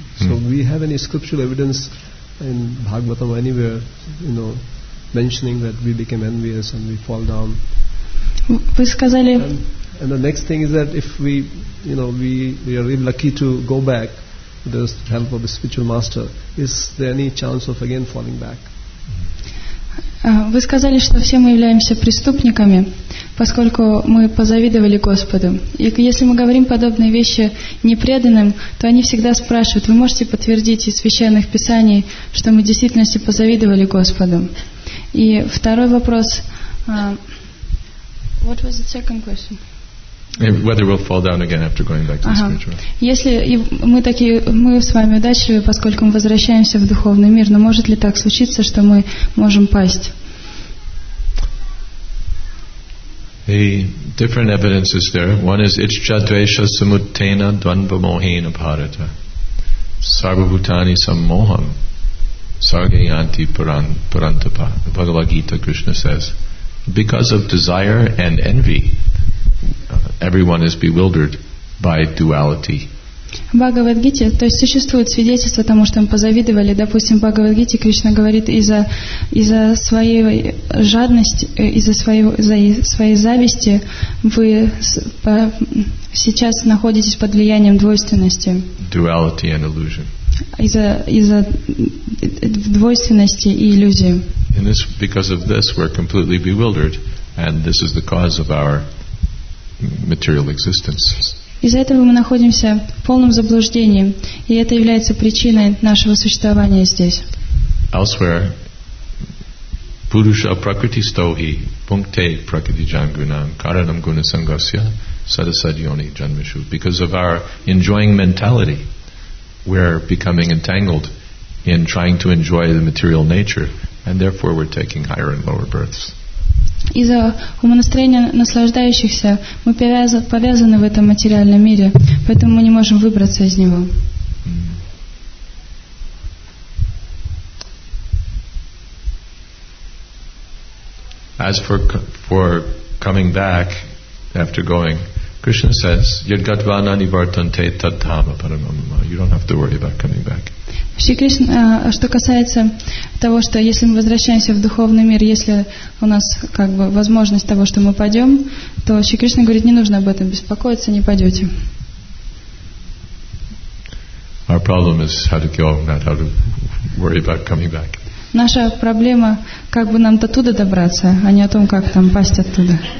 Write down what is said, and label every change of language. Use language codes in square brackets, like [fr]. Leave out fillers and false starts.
[en] So we have any scriptural evidence in Bhagavatam or anywhere, mentioning that we became envious and we fall down. Please [ru] сказали. [en] And the next thing is that if we, we are really lucky to go back with the help of the spiritual master, is there any chance of again falling back? [ru] Вы сказали, что все мы являемся преступниками, поскольку мы позавидовали Господу. И если мы говорим подобные вещи непреданным, то они всегда спрашивают: вы можете подтвердить из священных писаний, что мы в действительности позавидовали Господу? И второй вопрос. [en] What was the second question? Whether we'll fall down again after going back to the spiritual. [ru] Если мы такие, мы с вами удачливы, поскольку мы возвращаемся в духовный мир, но может ли так случиться, что мы можем пасть? [en] The different evidences there. One is [sa] ichcha dvesha samuttena dvandva mohena bharata. sarvabhutani sammoham sargayanti parantapa. [en] The Bhagavad Gita, Krishna says, because of desire and envy, everyone is bewildered by duality. [ru] Бхагавад Гите, то есть существует свидетельство тому, что мы позавидовали. Допустим, в Бхагавад Гите Кришна говорит, из-за своей жадности, из-за своей зависти вы сейчас находитесь под влиянием двойственности. [en] Duality and illusion. [ru] Из-за двойственности и иллюзии. [en] And this, because of this, we're completely bewildered, and this is the cause of our material existence. [ru] Из-за этого мы находимся в полном заблуждении, и это является причиной нашего существования здесь. [en] Elsewhere, [sa] Purusha Prakriti Stohi, Punkte Prakriti Jangunam, Karanam Gunasangasya, Sadasadyoni Janmishu. [en] Because of our enjoying mentality, we're becoming entangled in trying to enjoy the material nature, and therefore we're taking higher and lower births. [ru] Из-за умонастроения наслаждающихся мы повязаны в этом материальном мире, поэтому мы не можем выбраться из него. [en] As for coming back after going, Krishna says, [sa] "Yadgatvana nivartante tadhama paramamma." [en] You don't have to worry about coming back. [ru] Что касается того, что если мы возвращаемся в духовный мир, если у нас как бы возможность того, что мы пойдем, то Шри Кришна говорит, не нужно об этом беспокоиться, не пойдете. [en] Our problem is how to go, not how to worry about coming back. [ru] Наша проблема, как бы нам до туда добраться, а не о том, как там пасть оттуда.